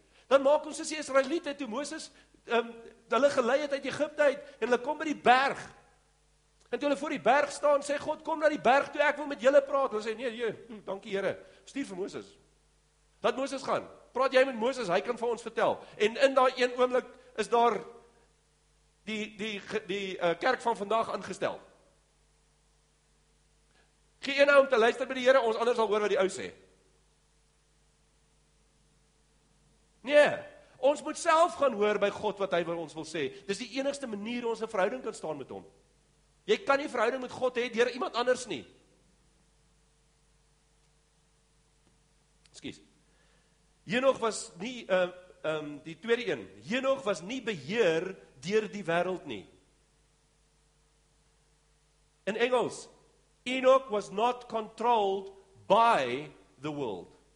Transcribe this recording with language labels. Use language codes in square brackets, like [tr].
[af] Dan maak ons as die Israeliete, toe Moses, hulle gelei het uit Egypte uit, en hulle kom by die berg. En toe hulle voor die berg staan, sê God, kom na die berg toe, ek wil met julle praat. Hulle sê, nee, dankie Here, stuur vir Moses. Laat Moses gaan. Praat jy met Moses, hy kan vir ons vertel. En in daai een oomblik is daar die kerk van vandag aangestel. Gee een om te luister by die Here, ons anders sal hoor wat die ou sê. Nee, ons moet self gaan hoor by God wat hy vir ons wil sê. Dis die enigste manier ons 'n verhouding kan staan met hom. Jy kan nie verhouding met God hê deur iemand anders nie. Skus. Henog was nie die tweede een. Henog was nie beheer deur die wêreld nie. In Engels, [en] Enoch was not controlled by the world.